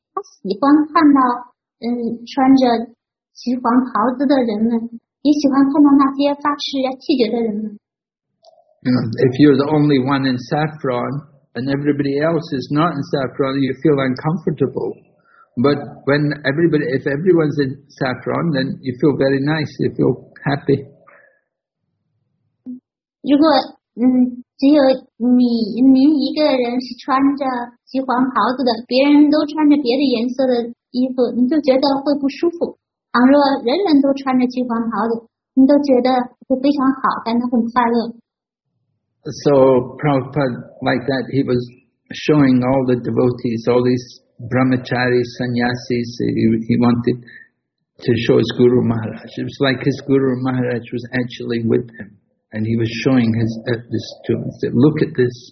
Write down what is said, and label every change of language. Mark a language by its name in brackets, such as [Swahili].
[Chinese] 他喜欢看到穿着橘黄袍子的人们，也喜欢看到那些发誓要弃绝的人们。 [English] If you're the only one in saffron and everybody else is not in saffron, you feel uncomfortable. But when if everyone's in saffron, then you feel very nice, you feel happy. [Chinese] 如果只有您一个人是穿着橘黄袍子的，别人都穿着别的颜色的衣服，你就觉得会不舒服。倘若人人都穿着橘黄袍子，你都觉得会非常好，感到很快乐。 [English] So Prabhupada like that, he was showing all the devotees, all these brahmacharis, sannyasis, he wanted to show his Guru Maharaj. It was like his Guru Maharaj was actually with him. And he was showing his this to him. He said, "Look at this.